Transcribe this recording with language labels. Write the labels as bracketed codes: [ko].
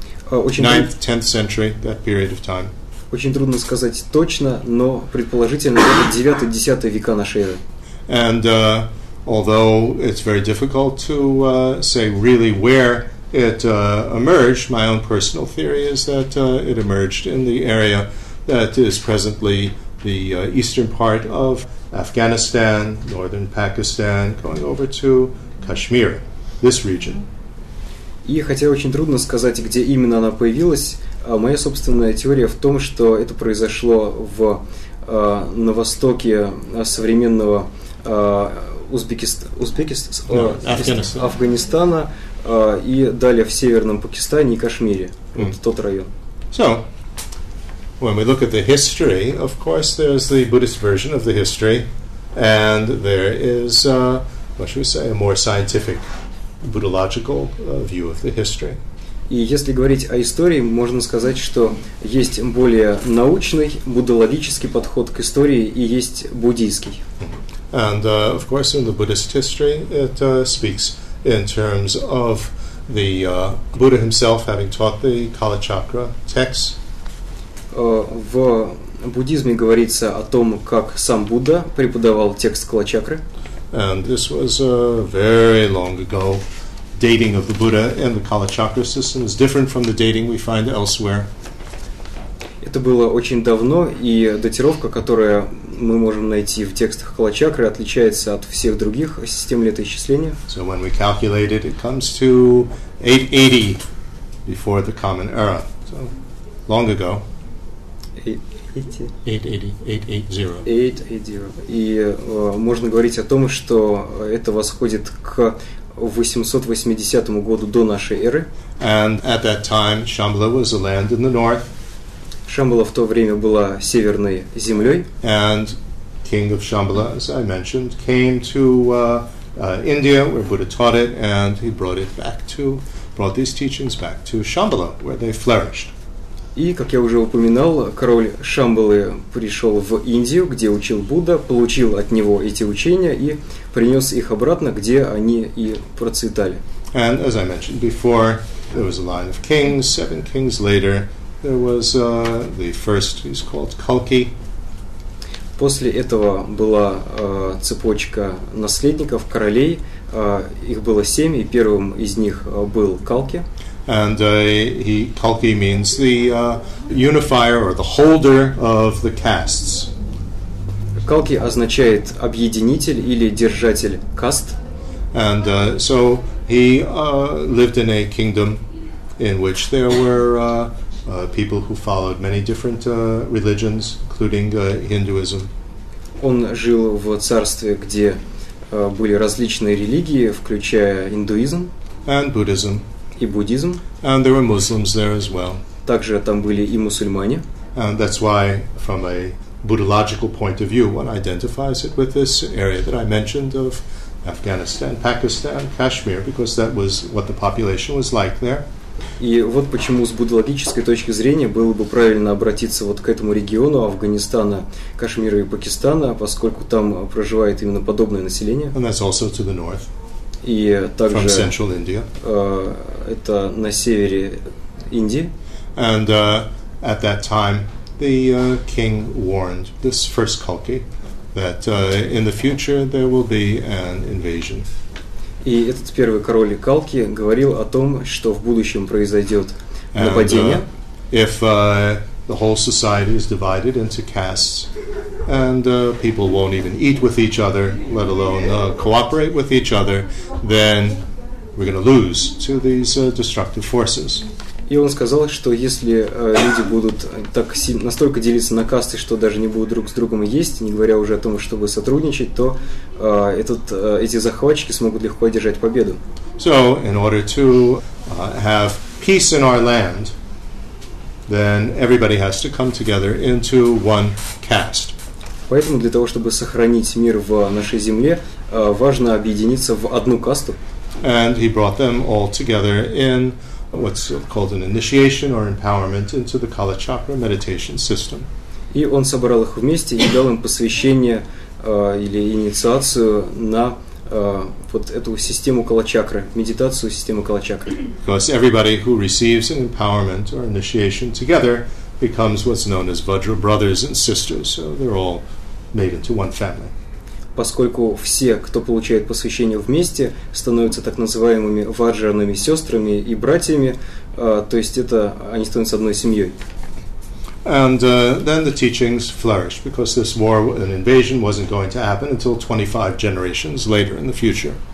[en] 10th century, that period of time. [ru] Очень трудно сказать точно, но предположительно это 9-10 века нашей эры. [en] And although it's very difficult to say really where it emerged, my own personal theory is that it emerged in the area that is presently the eastern part of Afghanistan, northern Pakistan, going over to Kashmir, this region. [ru] И хотя очень трудно сказать, где именно она появилась, моя собственная теория в том, что это произошло в на востоке современного Афганистана и далее в северном Пакистане и Кашмире, вот тот район. [en] So, when we look at the history, of course, there's the Buddhist version of the history, and there is, what should we say, a more scientific, buddhological view of the history. [ru] И если говорить о истории, можно сказать, что есть более научный, буддологический подход к истории и есть буддийский. [en] And, of course, in the Buddhist history, it speaks in terms of the Buddha himself having taught the Kalachakra texts. [ru] В буддизме говорится о том, как сам Будда преподавал текст Калачакры. [en] And this was very long ago. Dating of the Buddha in the Kalachakra system is different from the dating we find elsewhere. [ru] Это было очень давно, и датировка, которая мы можем найти в текстах Калачакры, отличается от всех других систем летоисчисления. [en] So when we calculate it, it comes to 880 before the Common Era. So, long ago. [ru] 880. И можно говорить о том, что это восходит к 880 году до нашей эры. [en] And at that time, Shambhala was a land in the north. [ru] Шамбала в то время была северной землей. [en] And king of Shambhala, as I mentioned, came to India, where Buddha taught it, and he brought these teachings back to Shambhala, where they flourished. [ru] И, как я уже упоминал, король Шамбалы пришел в Индию, где учил Будда, получил от него эти учения и принес их обратно, где они и процветали. [en] And as I mentioned before, there was a line of kings, 7 kings later, there was the first, he's called Kalki. [ru] После этого была цепочка наследников, королей. Их было 7, и первым из них был Калки. [en] And Kalki means the unifier or the holder of the castes. [ru] Kalki означает объединитель или держатель каст. [en] And so he lived in a kingdom in which there were people who followed many different religions, including Hinduism. [ru] Он жил в царстве, где были различные религии, включая индуизм [en] and Buddhism. [ru] И буддизм. [en] And there were Muslims there as well. [ru] Также там были и мусульмане. [en] And that's why, from a Buddhological point of view, one identifies it with this area that I mentioned of Afghanistan, Pakistan, Kashmir, because that was what the population was like there. [ru] И вот почему с буддологической точки зрения было бы правильно обратиться вот к этому региону Афганистана, Кашмира и Пакистана, поскольку там проживает именно подобное население. [en] And that's also to the north. [ru] И также [en] from central India. [ru] Это на севере Индии. [en] And at that time, the king warned this first Kalki that in the future there will be an invasion. [ru] И этот первый король Калки говорил о том, что в будущем произойдет нападение. [en] And, if the whole society is divided into castes, and people won't even eat with each other, let alone cooperate with each other, then we're going to lose to these destructive forces. [ru] И он сказал, что если люди будут так настолько делиться на касты, что даже не будут друг с другом есть, не говоря уже о том, чтобы сотрудничать, то эти захватчики смогут легко одержать победу. [en] So, in order to have peace in our land, then everybody has to come together into one caste. [ru] Поэтому для того, чтобы сохранить мир в нашей земле, важно объединиться в одну касту. [en] And he brought them all together in what's called an initiation or empowerment into the Kalachakra meditation system. [ru] И он собрал их вместе и дал им посвящение или инициацию на вот эту систему Калачакры, медитацию системы Калачакры. [en] Because everybody who receives an empowerment or initiation together becomes what's known as Vajra brothers and sisters. So they're all made into one family. [ru] Поскольку все, кто получает посвящение вместе, становятся так называемыми ваджраными сестрами и братьями, то есть это они становятся одной семьей. [en] And then the teachings flourish because this war and invasion wasn't going to happen until 25 generations later in the future.